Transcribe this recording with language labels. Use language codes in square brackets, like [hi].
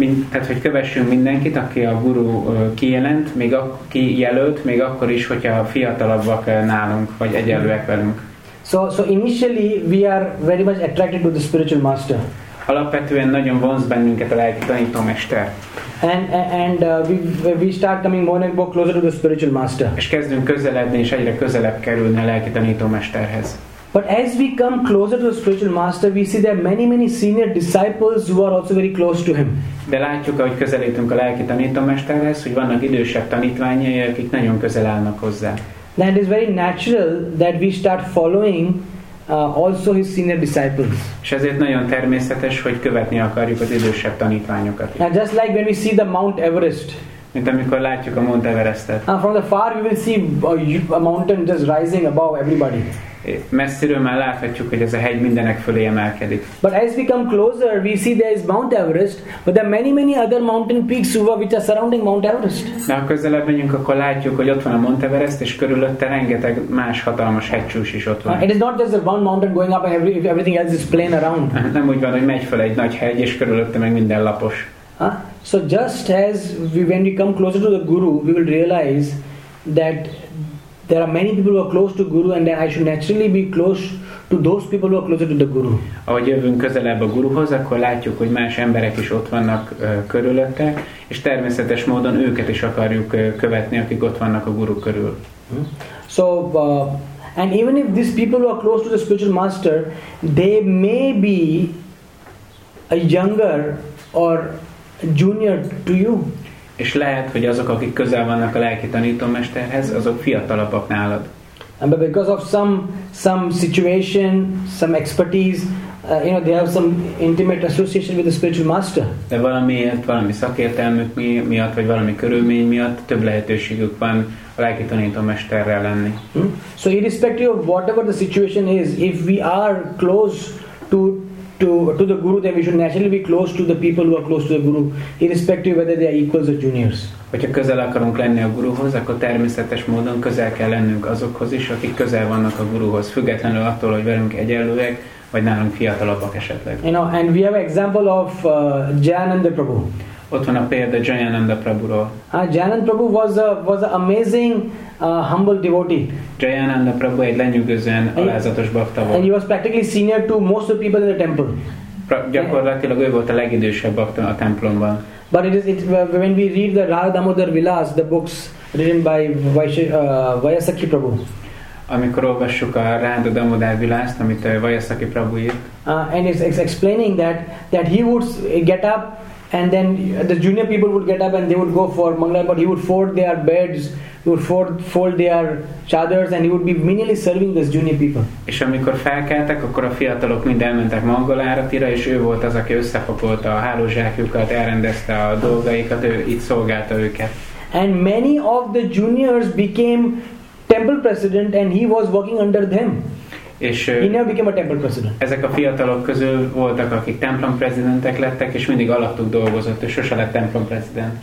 [hu] Tehát, hogy kövessünk mindenkit, aki a guru kijelölt, még akkor is, hogyha fiatalabbak nálunk, vagy egyenlőek velünk. [en] So initially we are very much attracted to the spiritual master. [hu] Alapvetően nagyon vonz bennünket a lelki tanítómester. [en] And we start coming more and more closer to the spiritual master. [hu] És kezdünk közeledni, és egyre közelebb kerülni a lelki tanítómesterhez. [en] But as we come closer to the spiritual master, we see there are many, many senior disciples who are also very close to him. [hu] De látjuk, ahogy közelítünk a lelki tanítómesterhez, hogy vannak idősebb tanítványai, akik nagyon közel állnak hozzá. [en] Then it is very natural that we start following also his senior disciples. [hu] És ezért nagyon természetes, hogy követni akarjuk az idősebb tanítványokat. [en] Now just like when we see the Mount Everest. [hu] Mint amikor látjuk a Mount Everestet. [en] From the far we will see a mountain just rising above everybody. [hu] Messziről már láthatjuk, hogy ez a hegy mindenek fölé emelkedik. [en] But as we come closer, we see there is Mount Everest, but there are many, many other mountain peaks which are surrounding Mount Everest. [hu] De ha közelebb menjünk, akkor látjuk, hogy ott van a Mount Everest, és körülötte rengeteg más hatalmas hegycsúcs is ott van. [en] It is not just one mountain going up and everything else is plain around. [hu] Nem úgy van, hogy megy föl egy nagy hegy, és körülötte meg minden lapos. [en] So just as when we come closer to the guru, we will realize that there are many people who are close to guru, and I should naturally be close to those people who are closer to the guru. [hu] Ahogy jövünk közelebb a guruhoz, akkor látjuk, hogy más emberek is ott vannak körülötte, és természetes módon őket is akarjuk követni, akik ott vannak a guru körül. [en] So, and even if these people who are close to the spiritual master, they may be a younger or junior to you. [hu] És lehet, hogy azok, akik közel vannak a lelki tanítómesterhez, azok fiatalabbak nálad. [en] And because of some situation, some expertise, they have some intimate association with the spiritual master. [hu] De valami szakértelmük miatt, vagy valami körülmény miatt több lehetőségük van a lelki tanítómesterrel lenni. [en] So irrespective of whatever the situation is, if we are close to the guru, then we should naturally be close to the people who are close to the guru, irrespective whether they are equals or juniors. [hu] Hogyha közel akarunk lenni a guruhoz, akkor természetes módon közel kell lennünk azokhoz is, akik közel vannak a guruhoz, függetlenül attól, hogy velünk egyenlőek, vagy nálunk fiatalabbak esetleg. [en] You know, and we have an example of Jayananda Prabhu. [hu] Ott van a példa Jayananda Prabhuról. [en] Jayananda Prabhu was an amazing humble devotee. [hu] Jayananda Prabhu egy lenyűgözően alázatos bhakta volt. [en] And he was practically senior to most of the people in the temple. [hu] Gyakorlatilag ő volt a legidősebb bhakta a templomban. [en] But it is when we read the Radha Damodar Vilas, the books written by Vyasakhi Prabhu. [hu] Amikor olvassuk a Radha Damodar Vilast, amit Vyasakhi Prabhu írt. [en] And it's explaining that he would get up, and then the junior people would get up and they would go for mangala, but he would fold their beds, he would fold their chadars, and he would be menially serving these junior people. [hu] És amikor felkeltek, akkor a fiatalok mind elmentek mangalára, és ő volt az, aki összepakolta a hálózsákjukat, elrendezte a dolgaikat, ő itt szolgálta őket. [en] And many of the juniors became temple president and he was working under them. [hu] És [en] he never became a temple president. [hu] Ezek a fiatalok közül voltak, akik templom prezidentek lettek, és mindig alattuk dolgozott, és sose lett templom prezident.